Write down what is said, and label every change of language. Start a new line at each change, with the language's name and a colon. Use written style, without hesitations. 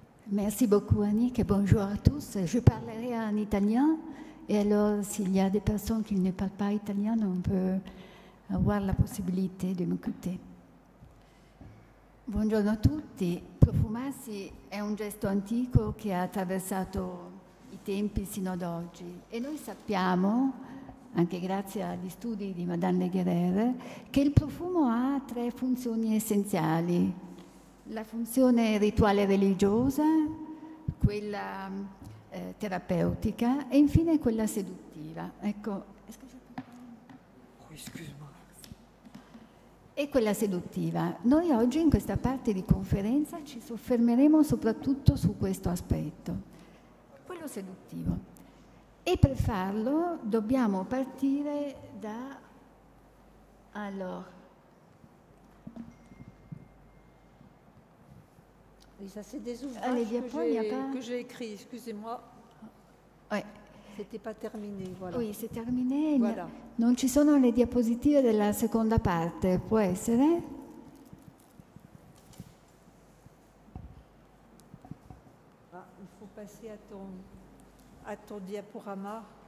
French: Merci beaucoup, Annick, et bonjour à tous. Je parlerai en italien, et alors s'il y a des personnes qui ne parlent pas italien, on peut avoir la possibilité de m'écouter.
Italian: Buongiorno a tutti. Profumarsi è un gesto antico che ha attraversato i tempi sino ad oggi, e noi sappiamo, anche grazie agli studi di Madame de Guerrer, che il profumo ha tre funzioni essenziali: la funzione rituale religiosa, quella terapeutica e infine quella seduttiva. Ecco. E quella seduttiva. Noi oggi in questa parte di conferenza ci soffermeremo soprattutto su questo aspetto, quello seduttivo. E per farlo dobbiamo partire da... Allora...
French: Oui, ça c'est des ouvrages que j'ai écrits, excusez-moi. Oui. C'était pas terminé, voilà. Oui, c'est terminé. Voilà.
Italian: Non ci sono le diapositive della seconda parte, può essere?
French: Ah, il faut passer à ton... À ton diaporama.